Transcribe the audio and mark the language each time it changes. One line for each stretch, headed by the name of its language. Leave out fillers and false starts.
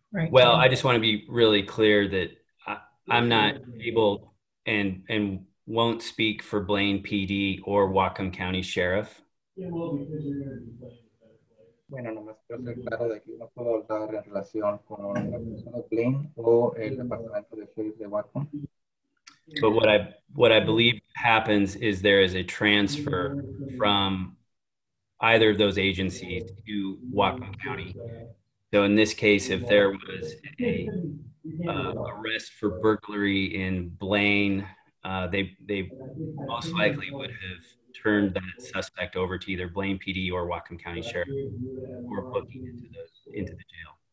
English: Well, I just want to be really clear that I'm not able and won't speak for Blaine PD or Whatcom County Sheriff.
Spanish: Bueno, nomás quiero ser claro de que no puedo hablar en relación con la persona de Blaine o el departamento de sheriff de Whatcom.
English: But what I believe happens is there is a transfer from either of those agencies to Whatcom County. So in this case, if there was a arrest for burglary in Blaine, they most likely would have turned that suspect over to either Blaine PD or Whatcom County Sheriff or booking into the jail.